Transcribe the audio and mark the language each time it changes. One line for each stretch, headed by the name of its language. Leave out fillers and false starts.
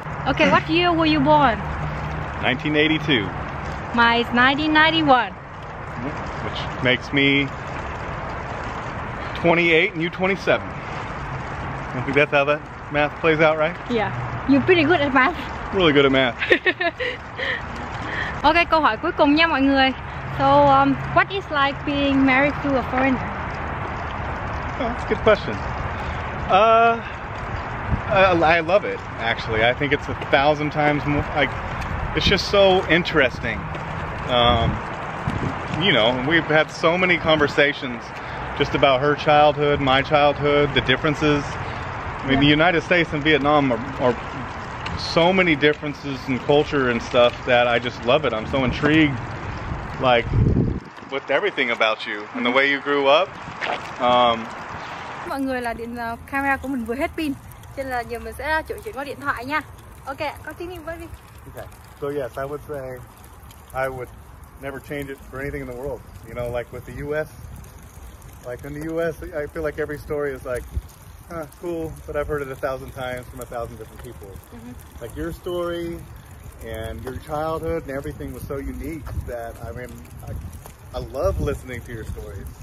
English: Okay, what year were you born? 1982. Mine is 1991. Which makes me 28 and you 27. I think that's how that math plays out, right? Yeah. You're pretty good at math. Really good at math.
Vietnamese: Okay, câu hỏi cuối cùng nha mọi người.
English: So, what is like being married to a foreigner? That's a good question. I love it, actually. I think it's 1,000 times more, like, it's just so interesting. You know, we've had so many conversations just about her childhood, my childhood, the differences. I mean, yeah. The United States and Vietnam are so many differences in culture and stuff that I just love it. I'm so intrigued, like, with everything about you and the way you grew up.
Vietnamese: Mọi người là điện camera của mình vừa hết pin, cho nên là giờ mình sẽ chuyển qua điện thoại nha. Okay, con tiếp đi với đi.
English: Okay. So yes, I would say I would never change it for anything in the world. You know, like with the U.S. Like in the U.S., I feel like every story is like, cool, but I've heard it 1,000 times from 1,000 different people. Mm-hmm. Like your story and your childhood and everything was so unique that, I mean, I love listening to your stories.